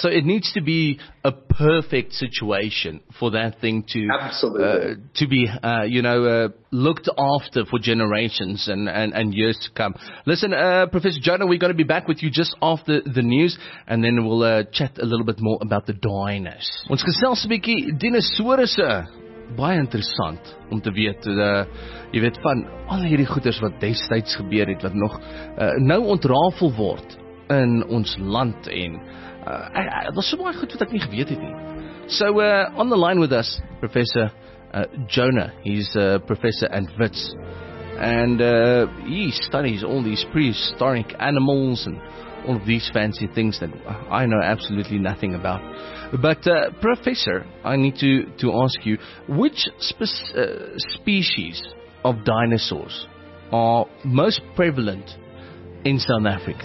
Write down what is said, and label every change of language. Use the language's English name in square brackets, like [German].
[English] So it needs to be a perfect situation for that thing to absolutely to be looked after for generations and years to come. Listen, Professor Jonah, we're going to be back with you just after the news, and then we'll chat a little bit more about the dinos. [Afrikaans] Ons gesels 'n bietjie dinosourusse. Baie interessant om te weet, jy weet, van al hierdie goeders wat destyds gebeur het, wat nog nou ontrafel word in ons land, en dit was so baie goed wat ek nie geweet het nie. [English] So, on the line with us, Professor Jonah, he's a professor at Wits, and he studies all these prehistoric animals and all of these fancy things that I know absolutely nothing about. But, Professor, I need to ask you, which species of dinosaurs are most prevalent in South Africa?